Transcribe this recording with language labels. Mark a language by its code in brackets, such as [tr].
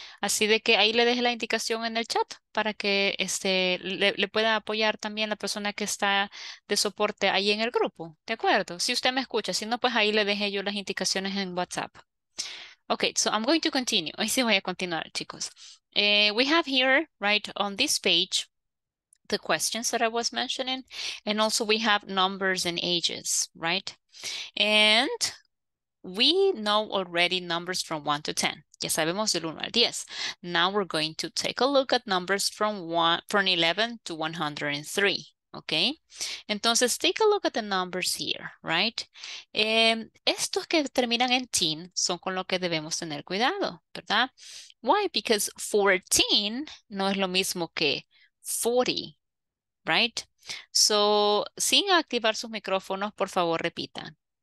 [es] Así de que ahí le deje la indicación en el chat para que le pueda apoyar también la persona que está de soporte ahí en el grupo, ¿de acuerdo? Si usted me escucha, si no, pues ahí le dejé yo las indicaciones en WhatsApp. [en] Ok, so I'm going to continue. [es] Hoy sí voy a continuar, chicos. [en] We have here, right on this page, the questions that I was mentioning, and also we have numbers and ages, right? And we know already numbers from 1 to 10. [es] Ya sabemos del 1 al 10. [en] Now we're going to take a look at numbers from 11 to 103. Okay? Entonces, take a look at the numbers here, right? [es] Estos que terminan en teen son con lo que debemos tener cuidado, ¿verdad? Why? Because 14 no es lo mismo que 40, right? So, sin activar sus micrófonos, por favor, repitan.